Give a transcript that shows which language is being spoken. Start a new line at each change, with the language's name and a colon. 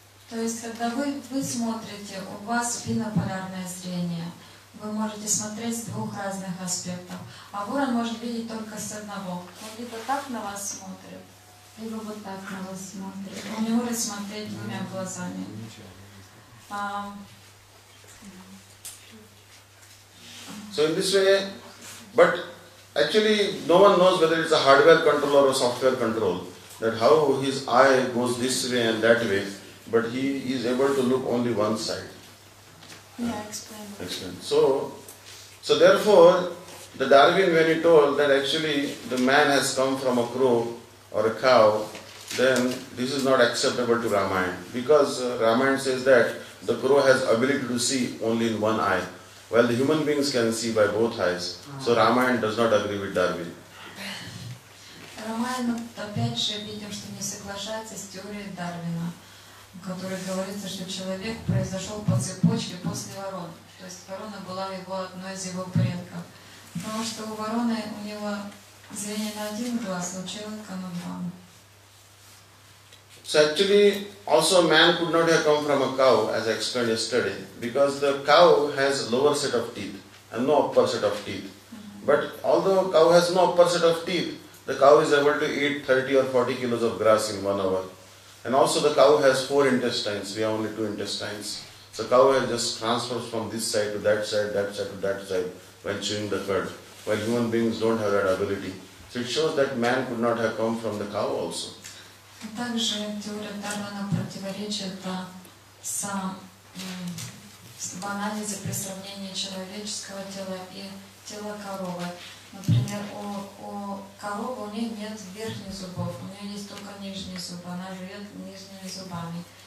Russian: То есть когда вы смотрите, у вас бинополярное зрение. Вы можете смотреть с двух разных аспектов. А ворон может видеть только с одного. Он либо так на вас смотрит, либо вот так на вас смотрит. Он не может смотреть двумя глазами.
English: So in this way, but actually, no one knows whether it's a hardware control or a software control, that how his eye goes this way and that way, but he is able to look only one side. Yeah, explain. So therefore, the Darwin, when he told that actually the man has come from a crow or a cow, then this is not acceptable to Ramayana, because Ramayana says that the crow has ability to see only in one eye. Well, the human beings can see by both eyes. So Ramayana does not agree with Darwin.
Russian: Ramayana, опять же, видим, что не соглашается с теорией Дарвина, в которой говорится, что человек произошел по цепочке после ворон. То есть ворона была одной из его предков. Потому что у вороны, у него зрение на один глаз, у человека на два.
English: So actually, also man could not have come from a cow, as I explained yesterday, because the cow has lower set of teeth and no upper set of teeth. Mm-hmm. But although cow has no upper set of teeth, the cow is able to eat 30 or 40 kilos of grass in 1 hour. And also the cow has four intestines, we have only two intestines. So cow has just transfers from this side to that side, that side to that side, when chewing the cud, while human beings don't have that ability. So it shows that man could not have come from the cow also.
Russian: Также теория Дарвина противоречит в анализе при сравнении человеческого тела и тела коровы. Например, у коровы у нее нет верхних зубов, у нее есть только нижние зубы, она живет нижними зубами.